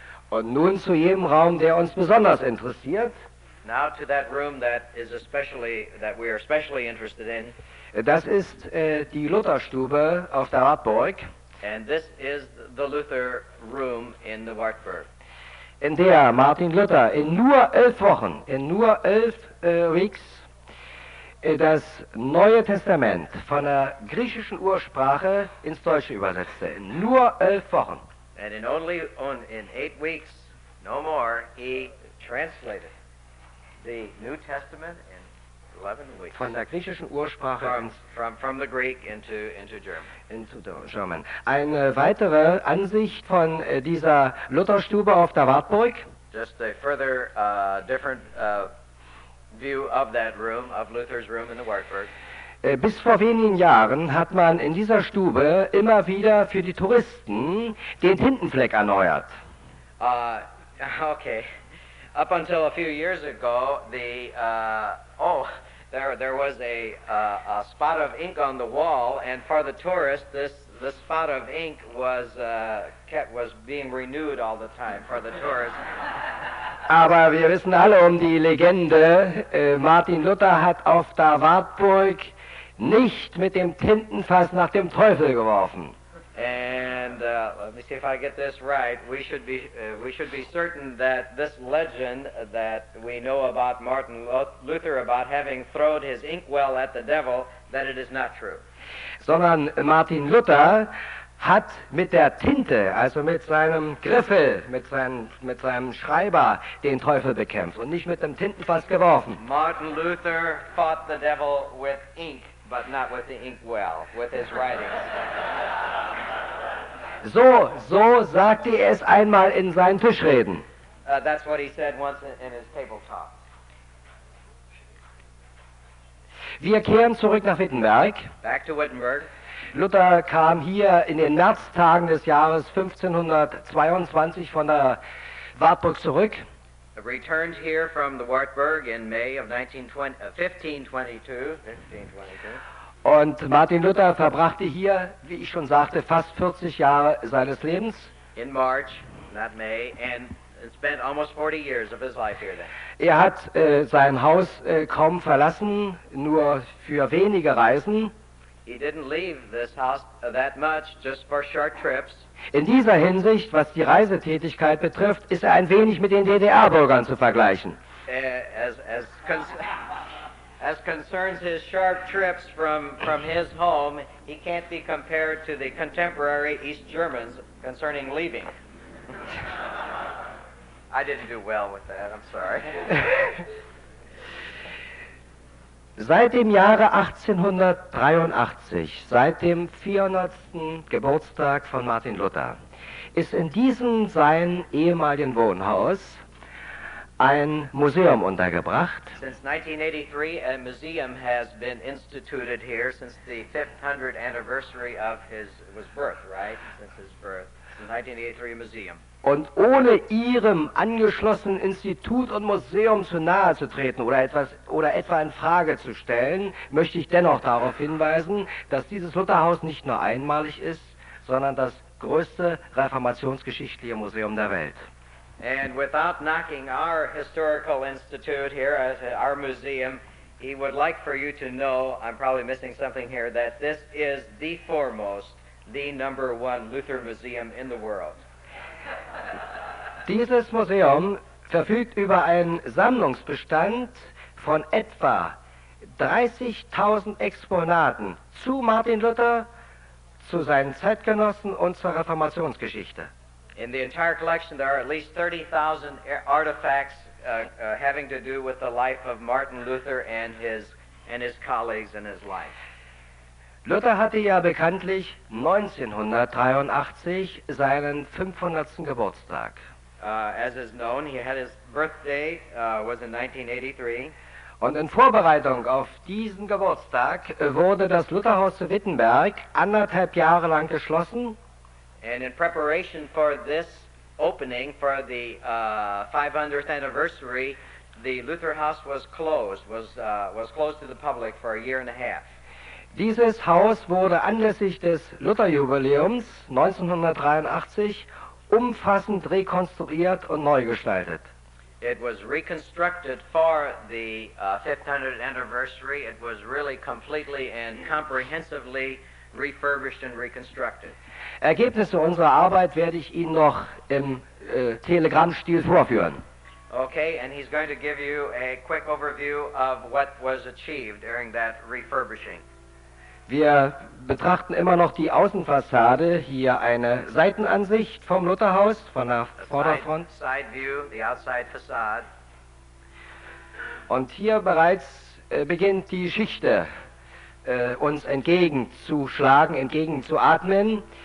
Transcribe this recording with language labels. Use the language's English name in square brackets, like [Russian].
[German] Und nun zu jedem Raum, der uns besonders interessiert. [English] Now to that room that we are especially interested in. [German] Das ist die Lutherstube auf der Wartburg. [English] And this is the Luther room in the Wartburg. [German] In der Martin Luther in nur elf Weeks, das Neue Testament von der griechischen Ursprache ins Deutsche übersetzte. In nur elf Wochen. [English] And in 8 weeks, no more, he translated the New Testament in 11 weeks. [German] Von der griechischen Ursprache [English] from the Greek into German. Into the German. [German] Eine weitere Ansicht von dieser Lutherstube auf der Wartburg. [English] Just a further different view of that room, of Luther's room in the Wartburg. [German] Bis vor wenigen Jahren hat man in dieser Stube immer wieder für die Touristen den Tintenfleck erneuert. [English] Okay. Up until a few years ago, there was a spot of ink on the wall, and for the tourists, this the spot of ink was being renewed all the time for the tourists. [German] Aber wir wissen alle um die Legende, Martin Luther hat auf der Wartburg nicht mit dem Tintenfass nach dem Teufel geworfen. [English] And let me see if I get this right. We should be certain that this legend that we know about Martin Luther about having thrown his inkwell at the devil, that it is not true. [German] Sondern Martin Luther hat mit der Tinte, also mit seinem Griffel, mit seinem Schreiber, den Teufel bekämpft und nicht mit dem Tintenfass geworfen. [English] Martin Luther fought the devil with ink, but not with the inkwell, with his writings. [German] So sagte er es einmal in seinen Tischreden. [English] That's what he said once in his table talk. [German] Wir kehren zurück nach Wittenberg. [English] Back to Wittenberg. [German] Luther kam hier in den Märztagen des Jahres 1522 von der Wartburg zurück. [English] Returned here from the Wartburg in May of 1522. [German] Und Martin Luther verbrachte hier, wie ich schon sagte, fast 40 Jahre seines Lebens. [English] In March, not May, and spent almost 40 years of his life here then. [German] Er hat sein Haus kaum verlassen, nur für wenige Reisen. [English] He didn't leave this house that much, just for short trips. [German] In dieser Hinsicht, was die Reisetätigkeit betrifft, ist ein wenig mit den DDR-Bürgern zu vergleichen. [English] As concerns his short trips from his home, he can't be compared to the contemporary East Germans concerning leaving. I didn't do well with that, I'm sorry. [German] Seit dem Jahre 1883, seit dem 400. Geburtstag von Martin Luther, ist in diesem sein ehemaligen Wohnhaus ein Museum untergebracht. [English] Since 1983, a museum has been instituted here since the 500th anniversary of his birth, right? Since his birth. Since 1983, a museum. [German] Und ohne ihrem angeschlossenen Institut und Museum zu nahe zu treten oder etwa in Frage zu stellen, möchte ich dennoch darauf hinweisen, dass dieses Lutherhaus nicht nur einmalig ist, sondern das größte reformationsgeschichtliche Museum der Welt. [English] And without knocking our historical institute here, our museum, he would like for you to know, I'm probably missing something here, that this is the foremost, the number one Luther museum in the world. [German] Dieses Museum verfügt über einen Sammlungsbestand von etwa 30.000 Exponaten zu Martin Luther, zu seinen Zeitgenossen und zur Reformationsgeschichte. [English] In the entire collection there are at least 30,000 artifacts having to do with the life of Martin Luther and his colleagues and his life. [German] Luther hatte ja bekanntlich 1983 seinen 500. Geburtstag. [English] As is known, he had his birthday was in 1983. [German] Und in Vorbereitung auf diesen Geburtstag wurde das Lutherhaus zu Wittenberg anderthalb Jahre lang geschlossen. [English] And in preparation for this opening for the 500th anniversary, the Luther House was closed to the public for a year and a half. [German] Dieses Haus wurde anlässlich des Lutherjubiläums 1983 umfassend rekonstruiert und neu gestaltet. [English] It was reconstructed for the 500th anniversary. It was really completely and comprehensively refurbished and reconstructed. [German] Ergebnisse unserer Arbeit werde ich Ihnen noch im Telegrammstil vorführen. [English] Okay, and he's going to give you a quick overview of what was achieved during that refurbishing. [German] Wir betrachten immer noch die Außenfassade, hier eine Seitenansicht vom Lutherhaus, von der Vorderfront. [English] Side view, the outside facade. [German] Und hier bereits beginnt die Geschichte uns entgegenzuschlagen, entgegenzuatmen.